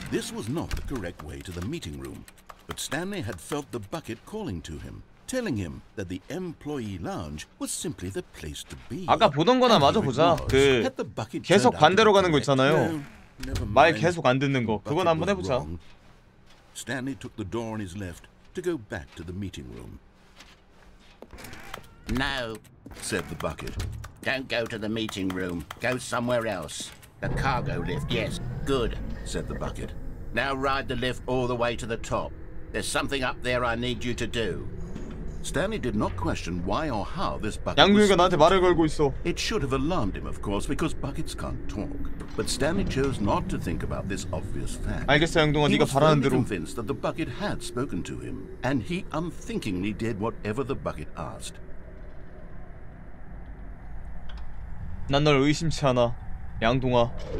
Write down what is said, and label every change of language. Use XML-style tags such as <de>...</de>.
<en>This was not the correct way to the meeting room, but Stanley had felt the bucket calling to him. Telling him that the employee lounge was simply the place to be.</en> <ko>아까 보던 거나 마저 보자. 그 계속 반대로 가는 거 있잖아요. 말 계속 안 듣는 거. 그건 한번 해보자.</ko> <en>Stanley took the door on his left to go back to the meeting room. No, said the bucket. Don't go to the meeting room. Go somewhere else. The cargo lift. Yes. Good, said the bucket. Now ride the lift all the way to the top. There's something up there I need you to do. Stanley did not question why or how this bucket.</en> <ko>양동이가 나한테 말을 걸고 있어.</ko> <en>It should have alarmed him, of course, because buckets can't talk. But Stanley chose not to think about this obvious fact.</en> <ko>알겠어, 양동아, 네가 바라는 대로.</ko> <en>He was convinced that the bucket had spoken to him, and he unthinkingly did whatever the bucket asked.</en> <ko>난 널 의심치 않아, 양동아.</ko>